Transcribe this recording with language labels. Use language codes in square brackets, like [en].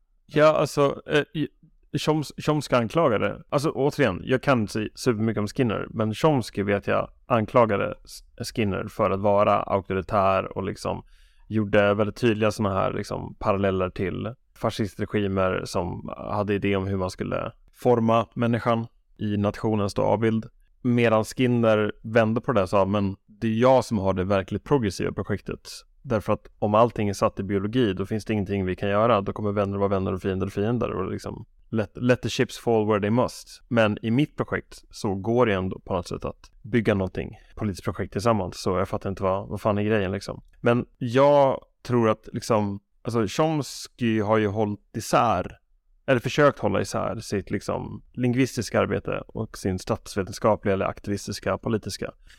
[sv] Ja, alltså Chomsky anklagade, alltså återigen, jag kan inte säga supermycket om Skinner, men Chomsky vet jag anklagade Skinner för att vara auktoritär och liksom gjorde väldigt tydliga såna här liksom paralleller till fascistregimer som hade idé om hur man skulle forma människan i nationens då avbild. Medan Skinner vände på det och sa, men det är jag som har det verkligt progressiva projektet. Därför att om allting är satt i biologi, då finns det ingenting vi kan göra. Då kommer vänner vara vänner och fiender och fiender. Och liksom, [en] let the ships fall where they must. [sv] Men i mitt projekt så går det ändå på något sätt att bygga någonting politiskt projekt tillsammans. Så jag fattar inte vad fan är grejen liksom. Men jag tror att liksom, alltså Chomsky har ju hållit isär, eller försökt hålla isär sitt liksom lingvistiska arbete och sin statsvetenskapliga eller aktivistiska politiska.